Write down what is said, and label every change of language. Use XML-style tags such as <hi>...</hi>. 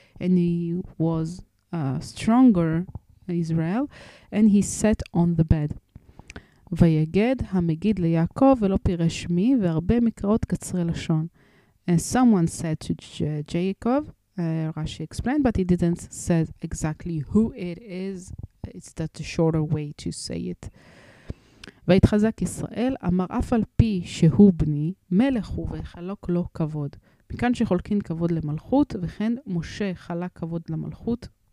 <en>And he was stronger Israel, and he sat on the bed.</en> <he>ויגד המגיד ליעקב ולא פירש מי והרבה מקראות קצרי לשון.</he> <en>And someone said to Jacob, Rashi explained, but he didn't say exactly who it is. It's that the shorter way to say it.</en> <he>ויתחזק ישראל, אמר אף על פי שהוא בני, מלך הוא וחלוק לו כבוד. מכאן שחולקין כבוד למלכות, וכן משה חלק כבוד למלכות.</he>